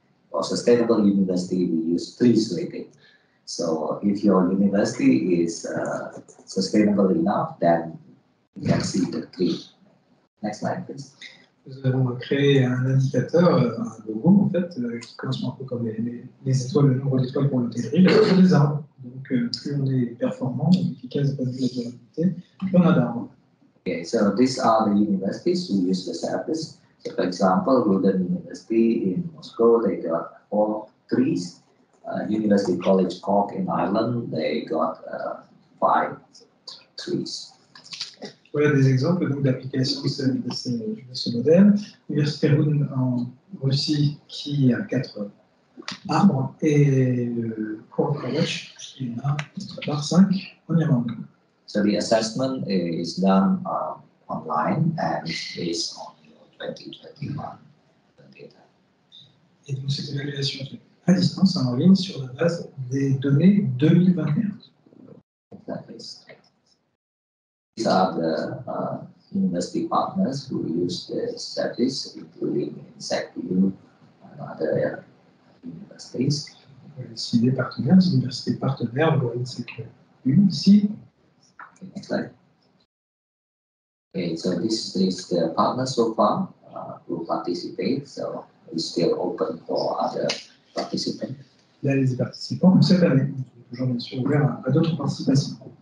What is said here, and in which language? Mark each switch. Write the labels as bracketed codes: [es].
[en] For sustainable university, we use 3 rating. So if your university is sustainable enough, then you can see the 3. Next slide, please. [fr] Nous avons créé un indicateur, un logo en fait, qui correspond un peu comme les étoiles, le nombre d'étoiles pour l'intégrer, mais sur les arbres. Donc, plus on est performant, efficace, pas de la durabilité, plus on a d'arbres. [en] Okay, so these are the universities who use the service. So, for example, Rudin University in Moscow, they got 4 trees. University College Cork in Ireland, they got 5 trees. [fr] Voilà des exemples donc, d'applications de ce modèle. L'université Rouen en Russie qui a 4 arbres et le Cork College qui en a 5 en Irlande. [en] So the assessment is done online and is based on your 2021 data. [fr] Et donc cette évaluation est à distance en ligne sur la base des données 2021. [en] That is. These are the university partners who use the service, including SECU and other universities. See the partners, university partners, or SECU. Okay, next slide. Okay, so this is the partners so far who participate. So it's still open for other participants. [fr] Là, les participants, cette année, on est toujours bien sûr ouvert à d'autres participations.